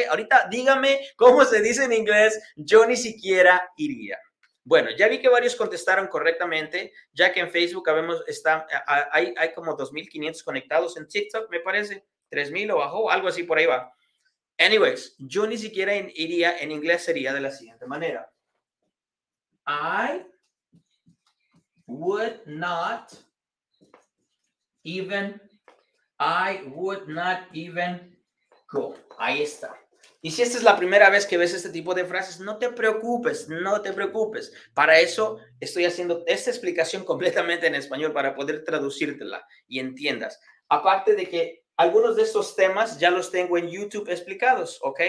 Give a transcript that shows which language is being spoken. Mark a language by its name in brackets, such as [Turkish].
[Spanish] Ahorita dígame cómo se dice en inglés, yo ni siquiera iría. Bueno, ya vi que varios contestaron correctamente, ya que en Facebook hay como 2,500 conectados. En TikTok, me parece, 3,000 o bajó, algo así por ahí va. Anyways, yo ni siquiera iría en inglés sería de la siguiente manera. [English] I would not even, I would not even go. [Spanish] Ahí está. Y si esta es la primera vez que ves este tipo de frases, no te preocupes, no te preocupes. Para eso estoy haciendo esta explicación completamente en español para poder traducírtela y entiendas. Aparte de que algunos de estos temas ya los tengo en YouTube explicados, ¿ok?